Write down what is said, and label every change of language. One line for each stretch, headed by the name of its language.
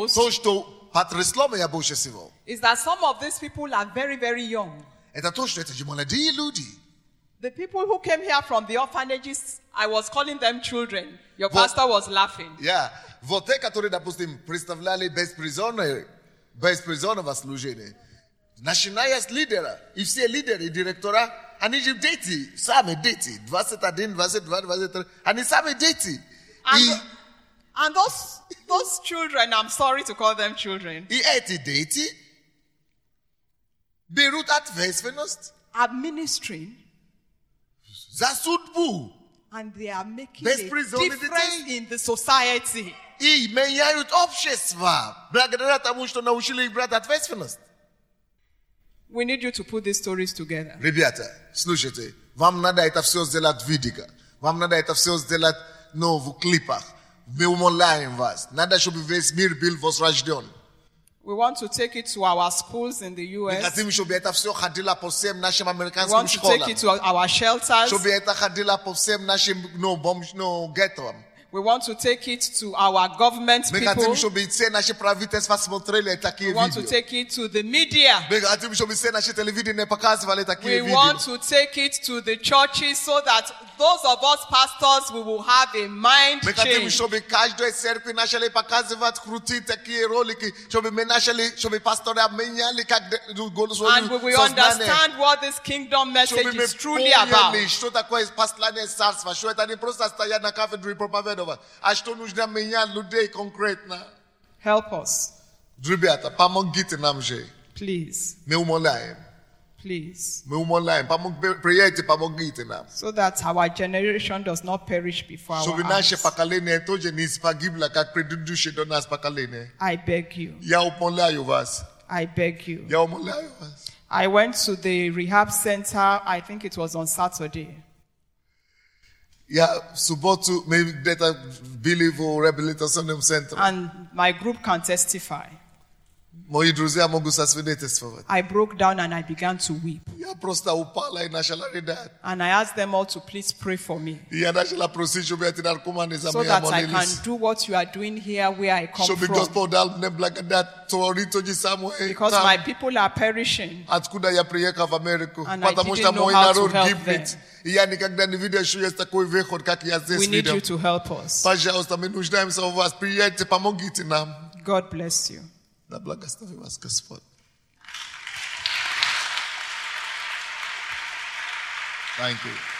Russian: То, что потрясло меня больше всего.
English: Is that some of these people are very, very young.
Russian: Это то, что это же молодые люди.
English: The people who came here from the orphanages, I was calling them children. Your pastor was laughing. Yeah.
Russian: Вот те, которые, допустим, представляли без призоров во служение. Начиная с лидера, и все лидеры, директора, они же дети, сами дети. 21, 22, 23, они сами дети.
English: And those children, I'm sorry to call them children.
Russian: И эти дети, берут ответственность.
English: Administering.
Russian: За судьбу.
English: And they are making a difference in the society.
Russian: И меняют общество. Благодаря тому, что научили их брать ответственность.
English: We need you to put these stories together.
Russian: Ребята, слушайте, вам надо это все сделать в видео. Вам надо это все сделать в клипах. Мы умоляем вас. Надо, чтобы весь мир был возрожден.
English: We want to take it to our schools in the U.S.
Russian: Мы хотим, чтобы это все ходило по всем нашим американским школам.
English: We want to take it to our shelters.
Russian: Чтобы это ходило по всем нашим, геттам.
English: We want to take it to our government people. We want to take it to the media. We want to take it to the churches so that those of us pastors, we will have a mind change. And we will understand what this kingdom message is truly about.
Russian: А что нужно менять людей конкретно?
English: Help us.
Russian: Ребята, помогите нам же.
English: Please.
Russian: Мы умоляем.
English: Please.
Russian: Мы умоляем. Приедьте, помогите нам.
English: So that our generation does not perish before our eyes.
Russian: Чтобы наше поколение тоже не погибло, как предыдущее до нас поколение.
English: I beg you.
Russian: Я умоляю вас.
English: I beg you.
Russian: Я умоляю вас.
English: I went to the rehab center, I think it was on Saturday.
Russian: Я в субботу,
English: maybe
Russian: где-то были в реабилитационном центре.
English: And my group can testify.
Russian: Мои друзья могут засвидетельствовать.
English: I broke down and I began to weep.
Russian: Я просто упала и начала рыдать.
English: And I asked them all to please pray for me.
Russian: Я начала просить, чтобы эти наркоманы за меня молились.
English: So that I can do what you are doing here where I come
Russian: чтобы
English: from.
Russian: Чтобы Господь дал мне благодать.
English: Because my people are perishing.
Russian: Откуда я приехал в Америку?
English: And
Russian: потому
English: I didn't know how to help them.
Russian: И я никогда не видел, что есть такой выход, как я здесь видел.
English: We need you to help us.
Russian: Пожалуйста, мы нуждаемся в вас. Приедьте, помогите нам.
English: God bless you.
Russian: Да благослови вас, Господь.
English: Thank you.